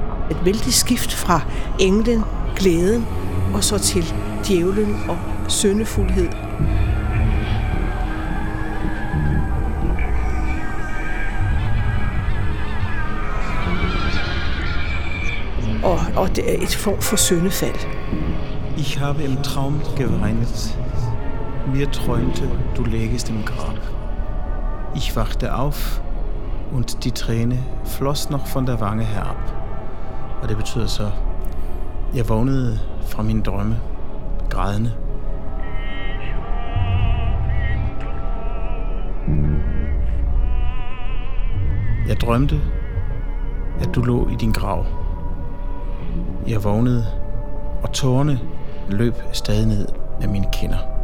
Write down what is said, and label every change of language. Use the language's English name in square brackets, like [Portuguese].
[Danish] Et vældig skift fra englen, glæden, og så til djævelen og syndefuldhed. Og det er et form for syndefald. [German] Ich habe im Traum geweint. Mir träumte, du lägest im Grab. Ich wachte auf und die Träne floss noch von der Wange herab. [Danish] Og det betyder så, jeg vågnede fra mine drømme, grædende. Jeg drømte, at du lå i din grav. Jeg vågnede, og tårerne løb stadig ned af mine kinder.